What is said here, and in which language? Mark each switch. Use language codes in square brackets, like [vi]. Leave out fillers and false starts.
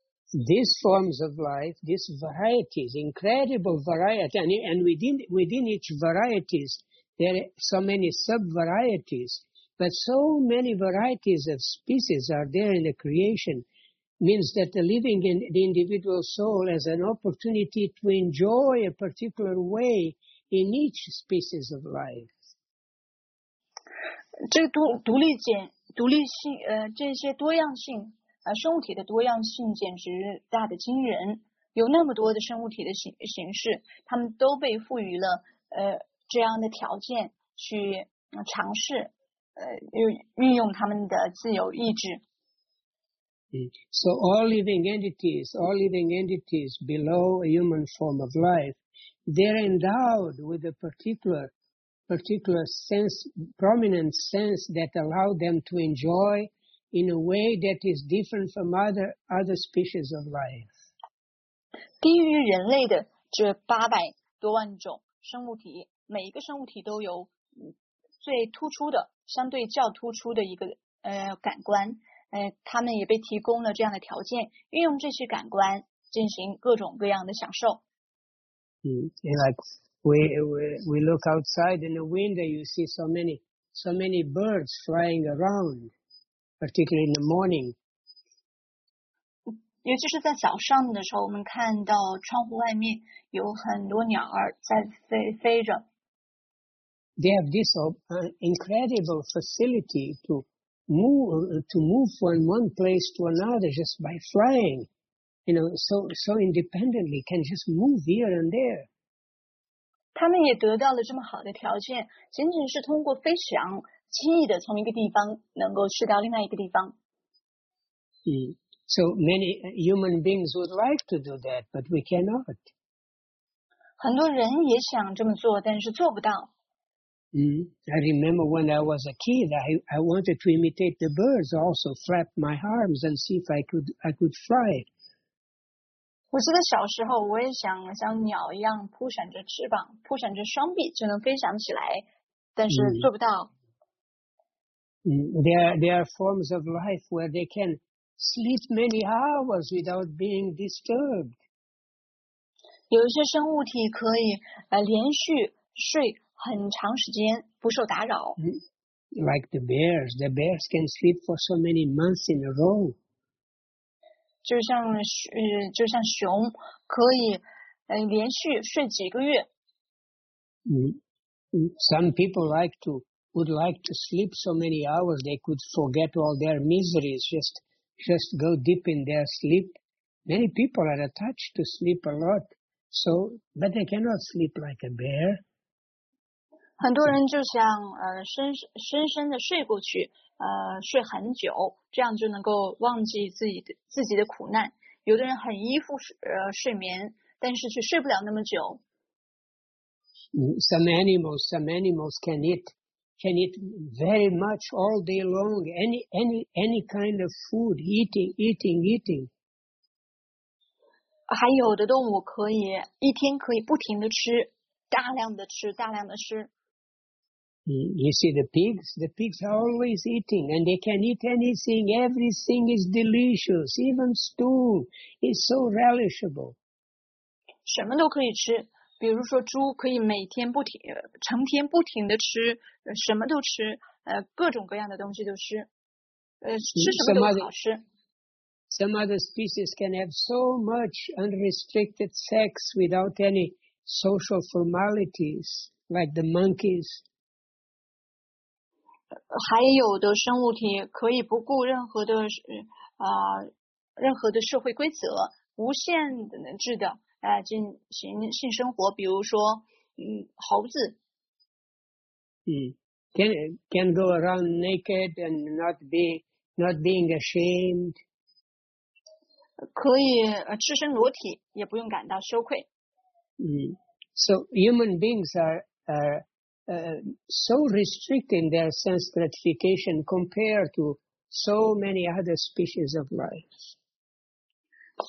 [en] These forms of life, these varieties, incredible variety, and within each varieties, there are so many sub-varieties, but so many varieties of species are there in the creation. Means that the living in the individual soul has an opportunity to enjoy a particular way in each species of life. [zh] 这独立性这些多样性生物体的多样性简直大得惊人，有那么多的生物体的形式，他们都被赋予了这样的条件去尝试运用他们的自由意志。 [en] So all living entities below a human form of life, they're endowed with a particular sense, prominent sense that allow them to enjoy in a way that is different from other species of life. [zh] 低于人类的这八百多万种生物体，每一个生物体都有最突出的，相对较突出的一个感官。他们也被提供了这样的条件，运用这些感官进行各种各样的享受。 [en] Like we look outside in the window, you see so many birds flying around, particularly in the morning. [zh] 尤其是在早上的时候，我们看到窗户外面有很多鸟儿在飞着。 [en] They have this incredible facility to move from one place to another just by flying, you know, so independently, can just move here and there. [zh] 他们也得到了这么好的条件，仅仅是通过飞翔，轻易的从一个地方能够去到另外一个地方。 [en] So many human beings would like to do that, but we cannot. [zh] 很多人也想这么做，但是做不到。 [en] I remember when I was a kid, I wanted to imitate the birds, also flap my arms and see if I could fly. [zh] 我记得小时候，我也想像鸟一样扑闪着翅膀，扑闪着双臂就能飞翔起来，但是做不到。 [en] There are forms of life where they can sleep many hours without being disturbed. [zh] 有一些生物体可以连续睡。很长时间不受打扰。 [en] Like the bears can sleep for so many months in a row. [zh] 就像熊可以连续睡几个月。 [en] Some people would like to sleep so many hours they could forget all their miseries, just go deep in their sleep. Many people are attached to sleep a lot, so, but they cannot sleep like a bear. [zh] 很多人就想深深的睡过去，睡很久，这样就能够忘记自己的苦难。有的人很依附睡眠，但是却睡不了那么久。 [en] Some animals can eat very much all day long. Any kind of food, eating. [zh] 还有的动物可以一天可以不停的吃，大量的吃，大量的吃。 [en] You see the pigs are always eating, and they can eat anything. Everything is delicious, even stool is so relishable. [zh] 什么都可以吃，比如说猪可以每天不停，成天不停的吃，什么都吃，各种各样的东西都吃，吃什么都好吃。 [en] Some other species can have so much unrestricted sex without any social formalities, like the monkeys. [zh] 还有的生物体可以不顾任何的社会规则，无限制的进行性生活，比如说猴子。 [en] Can go around naked and not being ashamed. [zh] 可以赤身裸体，也不用感到羞愧。 [en] So human beings are so restricted in their sense gratification compared to so many other species of life.